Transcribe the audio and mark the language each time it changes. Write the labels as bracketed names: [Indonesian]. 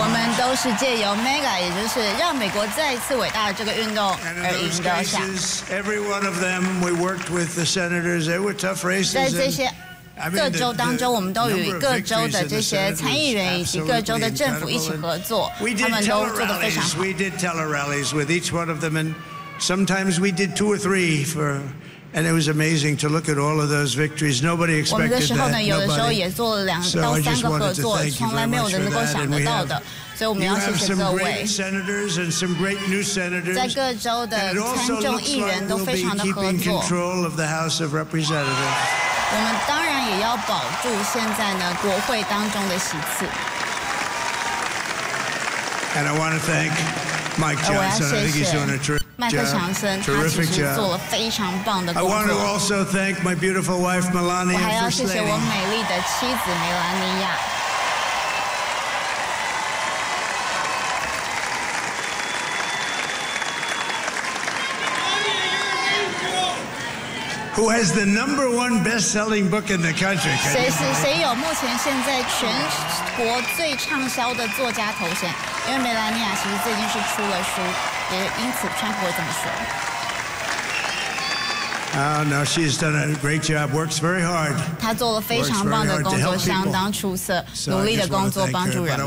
[Chinese] 我们都是借由 MAGA， 也就是让美国再一次伟大的这个运动而赢得下。 [English] And in those cases, every one of them, we worked with the senators. They were tough races. [Chinese] 在这些各州当中，我们都与各州的这些参议员以及各州的政府一起合作，他们都做得非常好。 [English] We did tele-rallies with each one of them, and sometimes we did two or three for. And it was amazing to look at all of those victories. Nobody expected that. [Chinese] 我们的时候呢，有的时候也做了两到三个合作，从来没有人能够想得到的。所以我们要谢谢各位。 [English] Great senators and some great new senators. [Chinese] 在各州的参众议员都非常的合作。 [English] Keeping control of the House of Representatives. [Chinese] 我们当然也要保住现在呢国会当中的席次。 [English] And I want to thank Mike Johnson. I think he's doing a terrific job. Terrific job. I want to also thank my beautiful wife Melania. [Chinese] 我还要谢谢我美丽的妻子梅兰妮亚。 [English] Who has the number one best-selling book in the country? [Chinese] 谁有目前现在全国最畅销的作家头衔？因为梅兰妮亚其实最近是出了书。也因此，川普会这么说。 [English] Oh, no, she's done a great job. Works very hard. [Chinese] 她做了非常棒的工作，相当出色，努力的工作帮助人们。